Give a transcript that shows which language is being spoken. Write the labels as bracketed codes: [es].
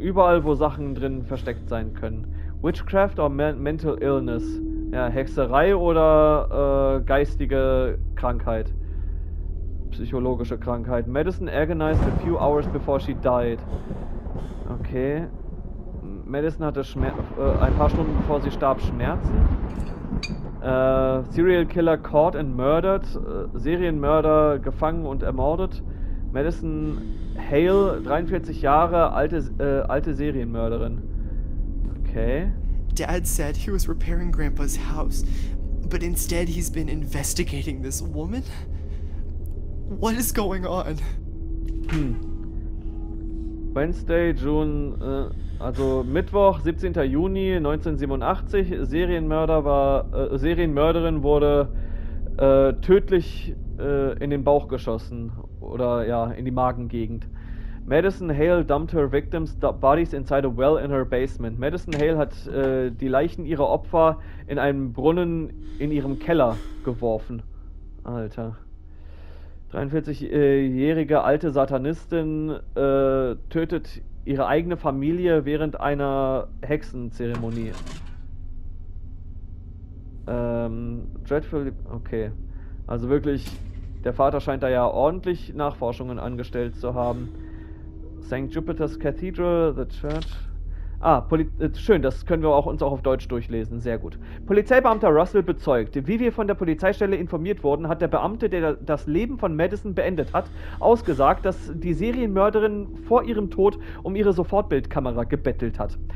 [de] Überall, wo Sachen drin versteckt sein können. [en] Witchcraft or mental illness? [de] Ja, Hexerei oder geistige Krankheit? Psychologische Krankheit. [en] Madison agonized a few hours before she died. Okay. [de] Madison hatte ein paar Stunden bevor sie starb Schmerzen. [en] Serial Killer caught and murdered. [de] Serienmörder gefangen und ermordet. Madison Hale, 43 Jahre, alte Serienmörderin. Okay. [en] Dad said he was repairing Grandpa's house, but instead he's been investigating this woman? What is going on? [de] Wednesday, also Mittwoch, 17. Juni 1987, Serienmörderin wurde tödlich in den Bauch geschossen oder ja, in die Magengegend. [en] Madison Hale dumped her victims' bodies inside a well in her basement. [de] Madison Hale hat die Leichen ihrer Opfer in einen Brunnen in ihrem Keller geworfen. Alter. 43-jährige alte Satanistin tötet ihre eigene Familie während einer Hexenzeremonie. [en] Dreadful. [de] Okay. Also wirklich, der Vater scheint da ja ordentlich Nachforschungen angestellt zu haben. [en] St. Jupiter's Cathedral, the church. [de] Ah, schön, das können wir auch, uns auch auf Deutsch durchlesen. Sehr gut. Polizeibeamter Russell bezeugt: Wie wir von der Polizeistelle informiert wurden, hat der Beamte, der das Leben von Madison beendet hat, ausgesagt, dass die Serienmörderin vor ihrem Tod um ihre Sofortbildkamera gebettelt hat.